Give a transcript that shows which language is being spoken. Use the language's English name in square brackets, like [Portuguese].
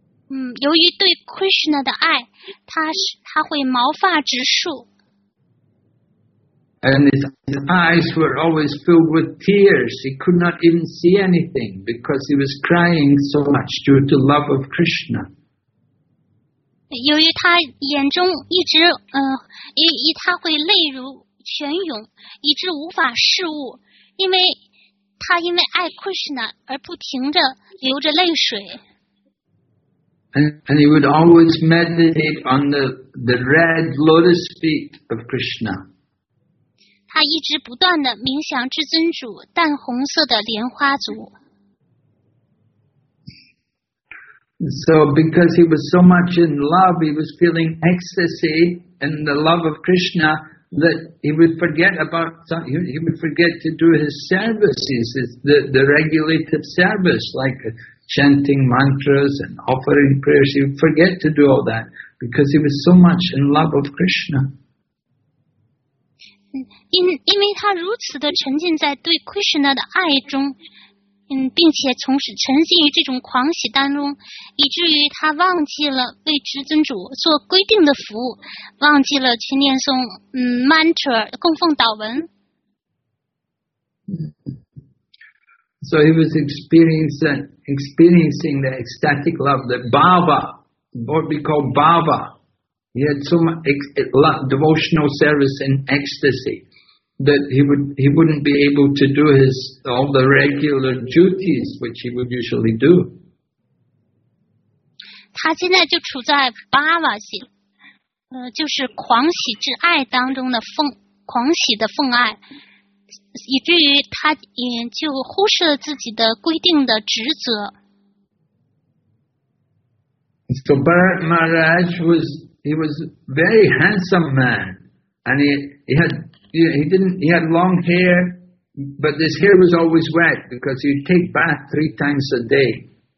[Chinese] 由于对 Krishna 的爱，他会毛发直竖。 [English] And his eyes were always filled with tears. He could not even see anything because he was crying so much due to love of Krishna. [Chinese] 由于他眼中一直他会泪如泉涌，以致无法视物，因为他因为爱 Krishna 而不停地流着泪水。 [English] And he would always meditate on the red lotus feet of Krishna. [Chinese] 他一直不断地冥想至尊主淡红色的莲花足。 [English] So because he was so much in love, he was feeling ecstasy in the love of Krishna that he would forget about, he would forget to do his services, the regulated service, like chanting mantras and offering prayers. He would forget to do all that because he was so much in love of Krishna. [Chinese] 因为他如此的沉浸在对 Krishna 的爱中。并且从此沉浸于这种狂喜当中，以至于他忘记了为至尊主做规定的服务，忘记了去念诵mantra 供奉祷文。 [English] So he was experiencing the ecstatic love, the bhava, what we call bhava. He had so much devotional service in ecstasy that he wouldn't be able to do all the regular duties which he would usually do. [Chinese] 他现在就处在bhava心，就是狂喜之爱当中的狂喜的奉爱，以至于他也就忽视了自己的规定的职责。 [English] So Bharat Maharaj was a very handsome man, and he had long hair, but this hair was always wet because he'd take bath 3 times a day.